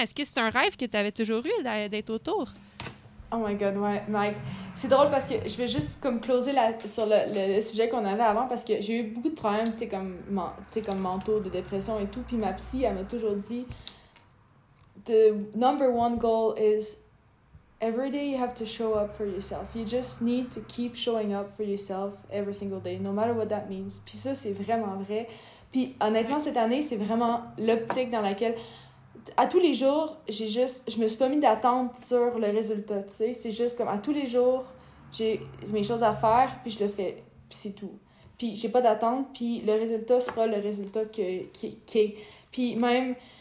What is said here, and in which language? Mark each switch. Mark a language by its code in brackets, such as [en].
[fr] Est-ce que c'est un rêve que t'avais toujours eu d'être au Tour? [en] Oh my God, [fr] ouais, [en] Mike. [fr] C'est drôle parce que je vais juste comme closer sur le sujet qu'on avait avant parce que j'ai eu beaucoup de problèmes, comme mentaux, de dépression et tout. Puis ma psy, elle m'a toujours dit « [en] The number one goal is... Every day you have to show up for yourself. You just need to keep showing up for yourself every single day, no matter what that means. » [fr] Puis ça, c'est vraiment vrai. Puis honnêtement, cette année, c'est vraiment l'optique dans laquelle, à tous les jours, je me suis pas mis d'attente sur le résultat, tu sais. C'est juste comme à tous les jours, j'ai mes choses à faire, puis je le fais, puis c'est tout. Puis j'ai pas d'attente, puis le résultat sera le résultat qui est. Puis même...